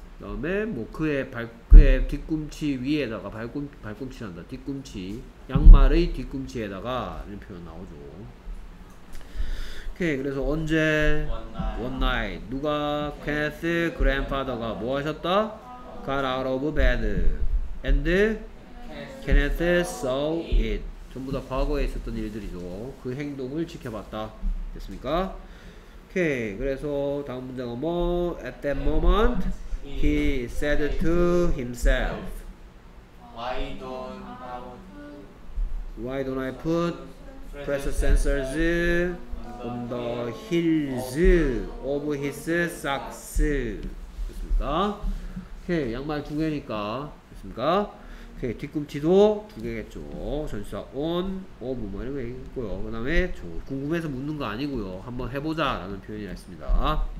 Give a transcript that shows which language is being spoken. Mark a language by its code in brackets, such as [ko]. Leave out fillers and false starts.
[ko] 그다음에 뭐 그의 발 그의 뒤꿈치 위에다가 발꿈치란다 뒤꿈치 양말의 뒤꿈치에다가 이런 표현 나오죠. 오케이. 그래서 언제 [en] 원나잇 [ko] 누가 케네스 그랜파더가 뭐 하셨다? [en] Got out of bed and Kenneth saw it. [ko] 전부 다 과거에 있었던 일들이죠. 그 행동을 지켜봤다. 됐습니까? 오케이. 그래서 다음 문장은 뭐 [en] At that moment He said to himself, Why don't I put pressure sensors on the heels of his socks? [ko] 됐습니까? 오케이, 양말 두 개니까 됐습니까? 오케이, 뒤꿈치도 두 개겠죠. 전시사 on, of 뭐 이런 거 있고요. 그 다음에 저 궁금해서 묻는 거 아니고요. 한번 해보자라는 표현이라 했습니다.